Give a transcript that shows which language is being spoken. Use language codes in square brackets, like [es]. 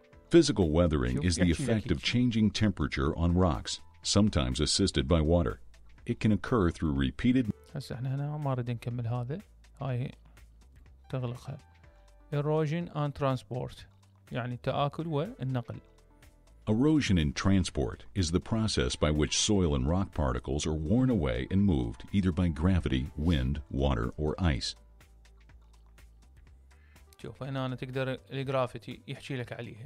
[en] Physical weathering is the effect of changing temperature on rocks, sometimes assisted by water. It can occur through repeated. [ar] هسه احنا هنا ما اريد نكمل هذا هاي تغلقها [en] erosion and transport [ar] يعني التآكل والنقل. [en] Erosion and transport is the process by which soil and rock particles are worn away and moved either by gravity, wind, water or ice. [ar] شوف هنا انا تقدر الجرافيتي يحكي لك عليها.